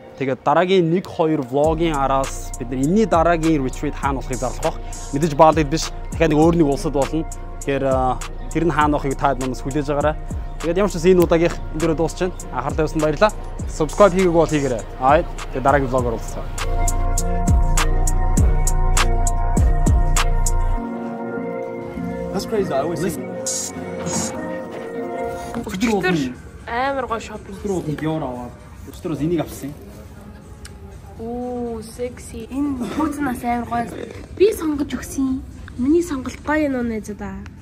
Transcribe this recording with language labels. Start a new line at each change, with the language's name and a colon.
Mongolian: Тэгээд дараагийн 1-2 влогийн араас бид нар энэний дараагийн ретрит хаана болохыг зарлах бах. Мэдээж Балид биш. Дахиад нэг өөр нэг улсад болно. Тэгэхээр тэр нь хаана болохыг таад манаас хүлээж агараа. Тэгээд ямар ч ус энэ удаагийнх энэ дөрөө дуусах чинь анхаарлаа өгсөн баярлалаа. Subscribe хийгээгүй бол хийгээрэй. Аа тэгээд дараагийн влог оруулцгаа.
English: That's crazy. I always think.
Mongolian: Өчтөр амар гоё шоп. Өчтөр уудын диор аваад өчтөр ус энийг авсан. Оо, секси. Энэ хүүцнаас амар гоё. Би сонгож өгсөн. Миний сонголт гоё юм уу нэзэ да.